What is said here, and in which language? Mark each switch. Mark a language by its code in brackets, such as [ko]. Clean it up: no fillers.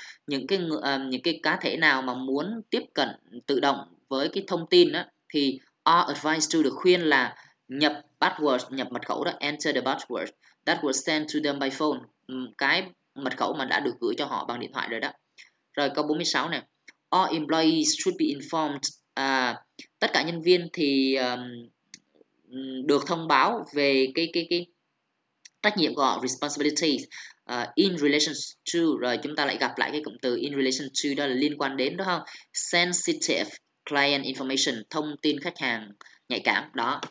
[vi] Những cái cá thể nào mà muốn tiếp cận tự động với cái thông tin đó, thì [en] are advised to, [vi] được khuyên là nhập password, nhập mật khẩu đó, [en] enter the password that was sent to them by phone, [vi] cái mật khẩu mà đã được gửi cho họ bằng điện thoại rồi đó. Rồi câu 46 này. [en] All employees should be informed. [vi] Tất cả nhân viên thì được thông báo về cái trách nhiệm của họ, responsibilities, [en] in relation to. [vi] Rồi chúng ta lại gặp lại cái cụm từ [en] in relation to, [vi] đó là liên quan đến, đúng không? [en] Sensitive client information, [vi] thông tin khách hàng nhạy cảm đó.